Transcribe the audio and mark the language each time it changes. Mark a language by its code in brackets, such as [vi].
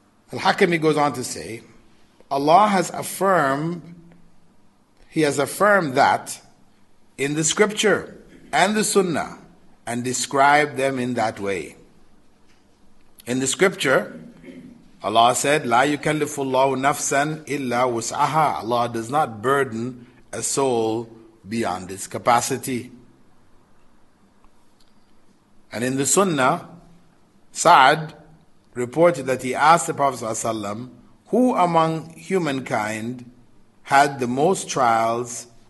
[en] Al-Hakimi goes on to say, Allah has affirmed, He has affirmed that in the scripture and the sunnah, and described them in that way. In the scripture, Allah said, [ar] لا يكلف الله نفسا إلا وسعها. [en] Allah does not burden a soul beyond its capacity. And in the sunnah, Sa'd reported that he asked the Prophet ﷺ, who among humankind had the most trials?